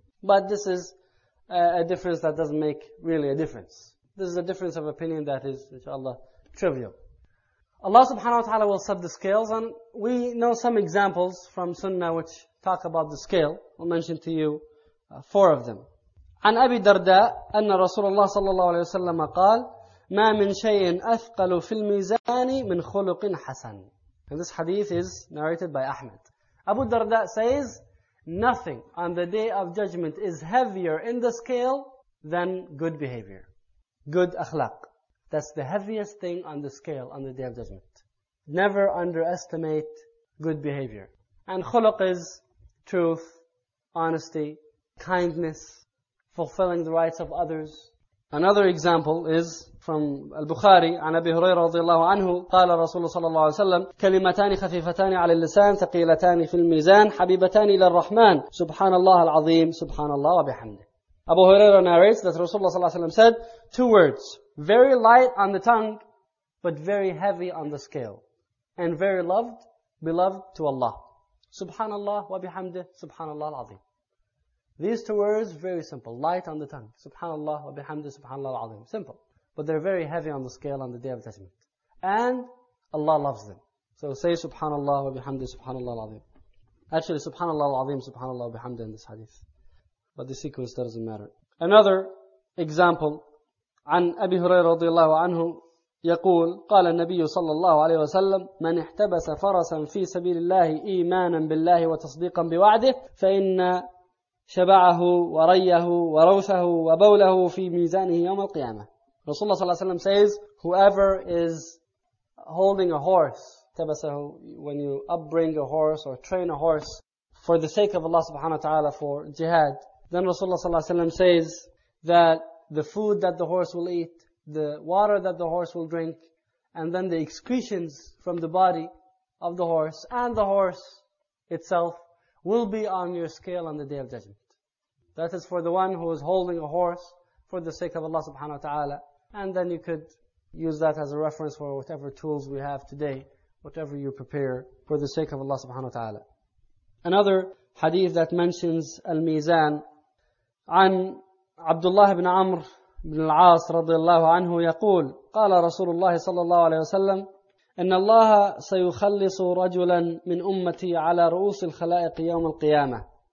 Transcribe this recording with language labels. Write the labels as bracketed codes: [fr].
[en] But this is a difference that doesn't make really a difference. This is a difference of opinion that is, inshallah, trivial. Allah subhanahu wa ta'ala will set the scales, and we know some examples from Sunnah which talk about the scale. I'll mention to you four of them. [ar] عن أبي درداء أن رسول الله صلى الله عليه وسلم قال ما من شيء أثقل في الميزان من خلق حسن. [en] And this hadith is narrated by Ahmed. Abu Darda says, nothing on the day of judgment is heavier in the scale than good behavior. Good akhlaq. That's the heaviest thing on the scale on the day of judgment. Never underestimate good behavior. And khuluq is truth, honesty, kindness, fulfilling the rights of others. Another example is from Al-Bukhari, [ar] عن أبي هريرة رضي الله عنه قال رسول الله صلى الله عليه وسلم كلمتان خفيفتان على اللسان ثقيلتان في الميزان حبيبتان إلى الرحمن سبحان الله العظيم سبحان الله وبحمده. [en] Abu Huraira narrates that Rasulullah صلى الله عليه وسلم said, two words, very light on the tongue, but very heavy on the scale, and very loved, beloved to Allah. [ar] Subhanallah wa bihamdih, subhanallah al-azim. [en] These two words, very simple, light on the tongue. [ar] Subhanallah wa bihamdih, subhanallah al-azim. [en] Simple. But they're very heavy on the scale on the day of judgment. And Allah loves them. So say [ar] subhanallah wa bihamdih, subhanallah al-azim. [en] Actually, [ar] subhanallah al-azim, subhanallah wa bihamdih [en] in this hadith. But the sequence doesn't matter. Another example, [ar] عن أبي هريرة رضي الله عنه يقول قال النبي صلى الله عليه وسلم من احتبس فرسا في سبيل الله إيمانا بالله وتصديقا بوعده فإن شبعه وريه وروثه وبوله في ميزانه يوم القيامة. [en] Rasulullah صلى الله عليه وسلم says, whoever is holding a horse, تبسه, when you upbring a horse or train a horse for the sake of Allah subhanahu wa ta'ala for jihad, then Rasulullah صلى الله عليه وسلم says that the food that the horse will eat, the water that the horse will drink, and then the excretions from the body of the horse and the horse itself will be on your scale on the day of judgment. That is for the one who is holding a horse for the sake of Allah subhanahu wa ta'ala. And then you could use that as a reference for whatever tools we have today, whatever you prepare for the sake of Allah subhanahu wa ta'ala. Another hadith that mentions al-mizan, [ar] عن عبد الله بن عمر بن العاص رضي الله عنه يقول قال رسول الله صلى الله عليه وسلم إن الله سيخلص رجلا من أمتي على رؤوس الخلائق يوم القيامة